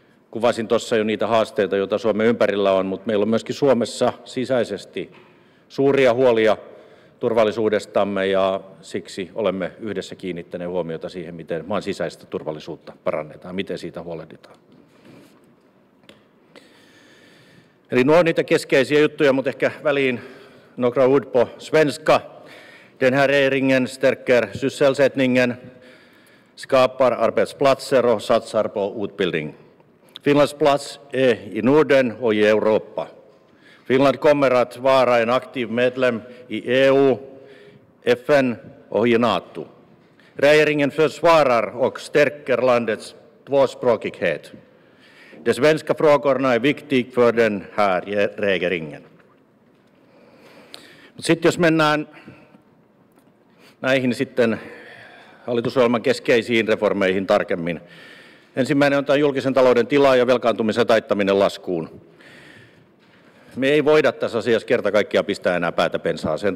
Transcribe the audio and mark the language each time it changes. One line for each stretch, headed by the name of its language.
Finnish: Kuvasin tuossa jo niitä haasteita, joita Suomen ympärillä on, mutta meillä on myöskin Suomessa sisäisesti suuria huolia turvallisuudestamme ja siksi olemme yhdessä kiinnittäneet huomiota siihen, miten maan sisäistä turvallisuutta parannetaan, miten siitä huolehditaan. Eli nuo on niitä keskeisiä juttuja, mutta ehkä väliin
Swedish: några ord på svenska. Den här regeringen stärker sysselsättningen, skapar arbetsplatser och satsar på utbildning. Finlands plats är i Norden och i Europa. Finland kommer att vara en aktiv medlem i EU, FN och i NATO. Regeringen försvarar och stärker landets tvåspråkighet. De svenska frågorna är viktiga för den här regeringen.
Finnish: Sitten jos mennään näihin sitten hallitusohjelman keskeisiin reformeihin tarkemmin. Ensimmäinen on tämä julkisen talouden tila ja velkaantumisen taittaminen laskuun. Me ei voida tässä asiassa kerta kaikkiaan pistää enää päätä pensaaseen.